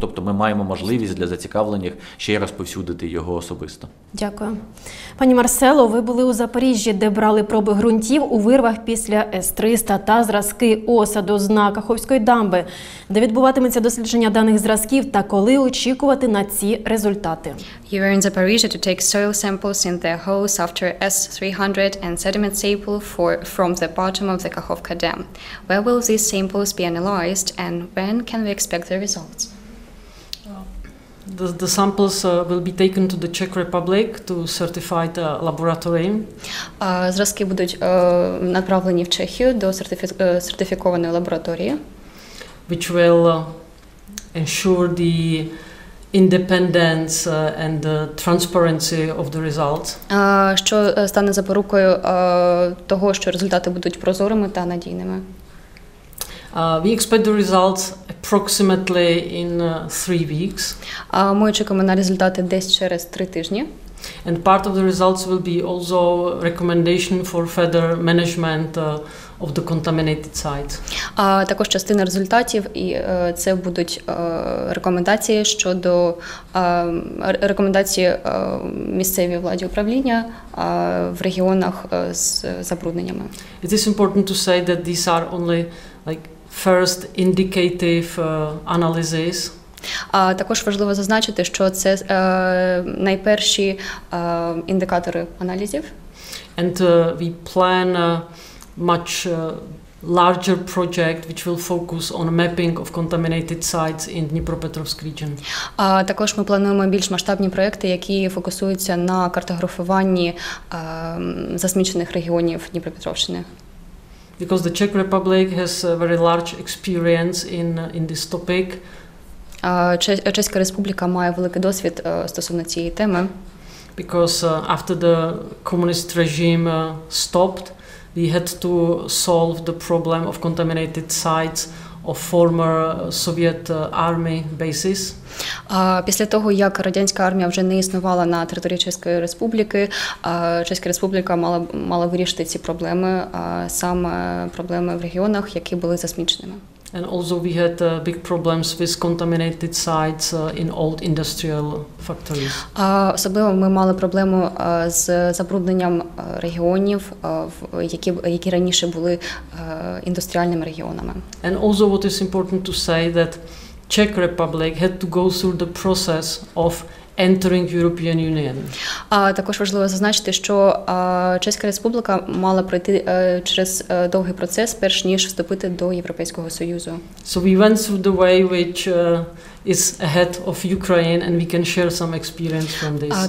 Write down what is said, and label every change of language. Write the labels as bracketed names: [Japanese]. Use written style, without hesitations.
[Ukrainian] Тобто ми маємо можливість для зацікавлених ще й розповсюдити його особисто. Дякую. Пані Марсело, ви були у Запоріжжі, де брали проби ґрунтів у вирвах після С-300 та зразки осаду з Каховської дамби. Де відбуватиметься дослідження даних зразків та коли очікувати на ці результати? [English] You were in Zaporizhzhia to take soil samples in the holes after S-300 and sediment sample from the bottom of the Kakhovka Dam. Where will these samples be analyzed and when can we expect the results? The samples will be taken to the Czech Republic to certify the laboratory. [Ukrainian] Зразки будуть направлені в Чехію до сертифікованої лабораторії. [English] Which will ensure the independence and the transparency of the results. [Ukrainian] Що стане запорукою того, що результати будуть прозорими та надійними? [English] We expect the results approximately in 3 weeks. [Ukrainian] Ми очікуємо на результати десь через 3 тижні. [English] And part of the results will be also recommendation for further management of the contaminated site. [Ukrainian] Також частина результатів і це будуть рекомендації щодо рекомендації місцевій владі управління в регіонах з забрудненнями. [English] It is important to say that these are only like first indicative analysis. [Ukrainian] Також важливо зазначити, що це найперші індикатори аналізів. [English] And we plan much larger project which will focus on mapping of contaminated sites in Dnipropetrovsk region. [Ukrainian] Також ми плануємо більш масштабні проекти, які фокусуються на картографуванні засмічених регіонів Дніпропетровщини. [English] Because the Czech Republic has a very large experience in this topic. [Ukrainian] Чеська Республіка має великий досвід стосовно цієї теми. [English] Because after the communist regime stopped, we had to solve the problem of contaminated sites of former Soviet army bases. [Ukrainian] Після того, як радянська армія вже не існувала на території Чеської Республіки, Чеська Республіка мала вирішити ці проблеми, саме проблеми в регіонах, які були засміченими. [English] And also we had big problems with contaminated sites in old industrial factories. [Ukrainian] Особливо ми мали проблему з забрудненням регіонів, які раніше були індустріальними регіонами. [English] And also what is important to say that Czech Republic had to go through the process of entering European Union. [Ukrainian] Також важливо зазначити, що Чеська Республіка мала пройти через довгий процес, перш ніж вступити до Європейського Союзу. [English] So we went through the way which is ahead of Ukraine and we can share some experience from this.